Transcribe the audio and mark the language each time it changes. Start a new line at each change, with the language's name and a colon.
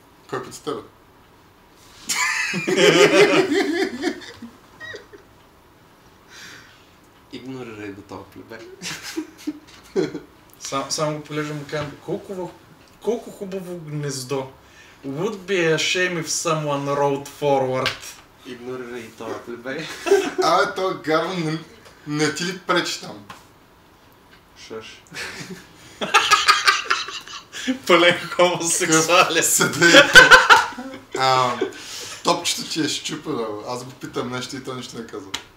Bulgarian: Кой път с тебе? Игнорирай го това, плебе. Само го полежа му кажа, колко хубаво гнездо.
English: Would be a shame if someone rolled forward.
Bulgarian: Игнорирай това, плебе. А, бе, това гарно не ти ли пречи там? Шаш. Пълен хомосексуален. Съдей. Топчето ти е щупено. Аз го питам нещо и то нищо не казва.